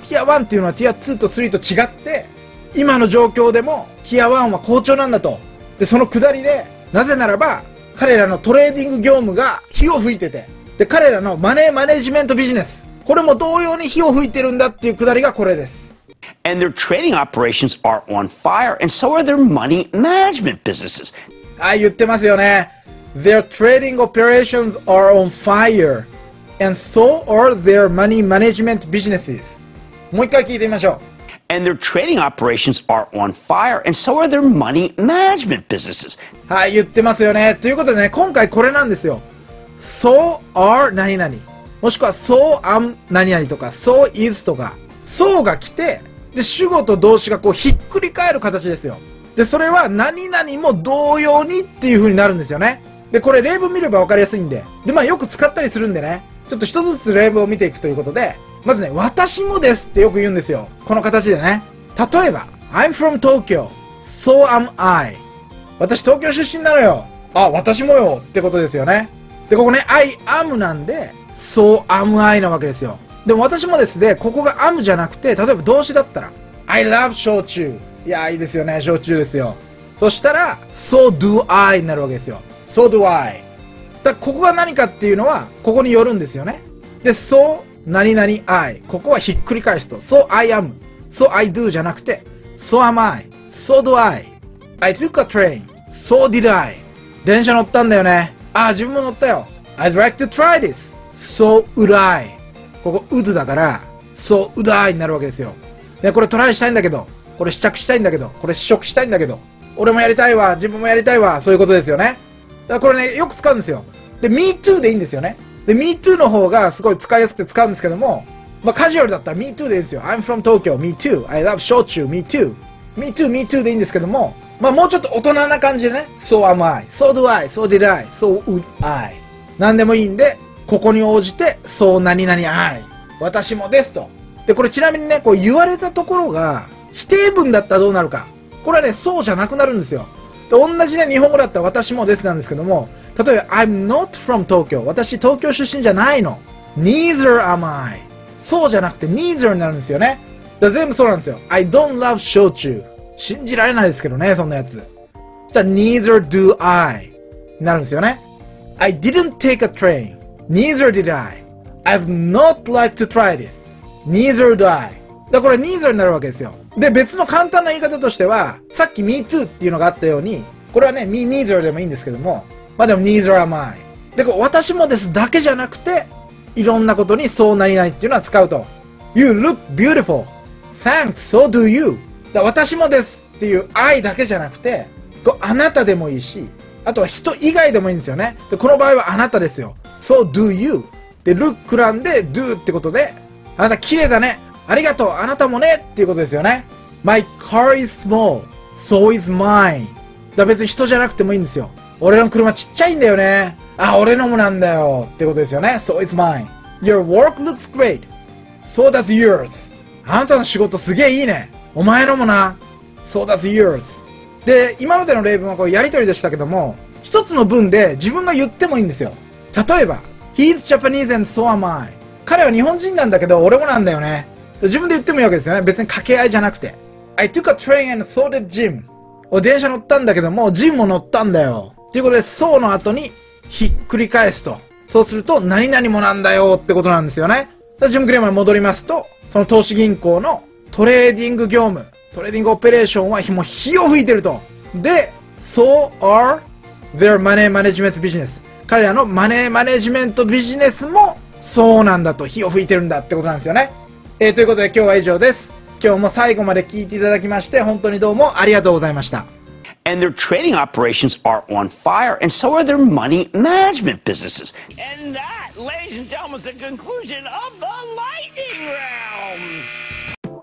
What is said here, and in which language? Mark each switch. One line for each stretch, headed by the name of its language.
Japanese: ティア1っていうのはティア2と3と違って、今の状況でもティア1は好調なんだと。で、その下りで、なぜならば、彼らのトレーディング業務が火を吹いてて、で、彼らのマネーマネジメントビジネス、これも同様に火を吹いてるんだっていう下りがこれです。
English: And their trading operations are on fire, and so are their money management businesses.
Japanese: はい、言ってますよね。
English: Their trading operations are on fire. And so are their money management businesses.
Japanese: もう一回聞いてみましょう。
English: And their trading operations are on fire. And so are their money management businesses.
Japanese: はい、言ってますよね。ということでね、今回これなんですよ。 so are 何々もしくは so am 何々とか so is とか so が来てで主語と動詞がこうひっくり返る形ですよ。でそれは何々も同様にっていう風になるんですよね。でこれ例文見ればわかりやすいんで、でまあよく使ったりするんでね、ちょっと一つずつ例文を見ていくということで、まずね、私もですってよく言うんですよ、この形でね。
English: 例えば I'm from Tokyo So am I。
Japanese: 私東京出身なのよ。あ、私もよってことですよね。でここね、 I am なんで So am I なわけですよ。でも私もですで、ね、ここが am じゃなくて、例えば動詞だったら I love 焼酎。いやいいですよね、焼酎ですよ。そしたら So do I になるわけですよ。
English: So do I。
Japanese: だここが何かっていうのはここによるんですよね。で So 何々 I、 ここはひっくり返すと So I am、 So I do じゃなくて So am I、 So do I。 I took a train、 So did I。電車乗ったんだよね。あー自分も乗ったよ。
English: I'd like to try this、 So would I。
Japanese: ここ would だから So would I になるわけですよ。でこれトライしたいんだけど、これ試着したいんだけど、これ試食したいんだけど、俺もやりたいわ、自分もやりたいわ、そういうことですよね。だからこれね、よく使うんですよ。で、 me too でいいんですよね。で、me too の方がすごい使いやすくて使うんですけども、まあカジュアルだったら me too でいいんですよ。
English: I'm from Tokyo, me too, I love 焼酎 me too。 me too, me too でいいんですけども、まあもうちょっと大人な感じでね、 so am I, so do I, so did I, so would I。
Japanese: なんでもいいんで、ここに応じて、so 何々 I、 私もですと。で、これちなみにね、こう言われたところが、否定文だったらどうなるか。これはね、そうじゃなくなるんですよ。で同じね、日本語だったら私もですなんですけども、例えば、 I'm not from Tokyo。私、東京出身じゃないの。
English: Neither am I。
Japanese: そうじゃなくて、neither になるんですよね。だから全部そうなんですよ。
English: I don't love 焼酎。
Japanese: 信じられないですけどね、そんなやつ。
English: そしたら、neither do I。になるんですよね。 I didn't take a train。 Neither did I。 I've not liked to try this。 Neither do I。
Japanese: だからこれ neither になるわけですよ。で別の簡単な言い方としては、さっき me too っていうのがあったように、これはね me neither でもいいんですけども、まあでも neither am I。でこう私もですだけじゃなくて、いろんなことにそう何々っていうのは使うと。
English: You look beautiful, thanks, so do you。
Japanese: だから私もですっていう I だけじゃなくて、こうあなたでもいいし、あとは人以外でもいいんですよね。でこの場合はあなたですよ、 so do you で look なんで do ってことで、あなた綺麗だね、ありがとう、あなたもねっていうことですよね。
English: My car is small, so is mine。
Japanese: だ別に人じゃなくてもいいんですよ。俺の車ちっちゃいんだよね、あ、俺のもなんだよってことですよね。
English: So is mine。 Your work looks great, so does yours。
Japanese: あなたの仕事すげえいいね、お前のもな、 So does yours。で今までの例文はこうやりとりでしたけども、一つの文で自分が言ってもいいんですよ。
English: 例えば He's Japanese and so am I。
Japanese: 彼は日本人なんだけど俺もなんだよね、自分で言ってもいいわけですよね。別に掛け合いじゃなくて。
English: I took a train and so did Jim。
Japanese: 電車乗ったんだけども、ジンも乗ったんだよ。ということで、so の後にひっくり返すと。そうすると、何々もなんだよってことなんですよね。ジム・クレーマーに戻りますと、その投資銀行のトレーディング業務、トレーディングオペレーションはもう火を吹いてると。
English: で、so are their money management business。
Japanese: 彼らのマネーマネジメントビジネスもそうなんだと、火を吹いてるんだってことなんですよね。ということで今日は以上です。今日も最後まで聞いていただきまして本当にどうもありがとうございました。
English: And their trading operations are on fire, and so are their money management businesses. And that, ladies and gentlemen, is the conclusion of the lightning round.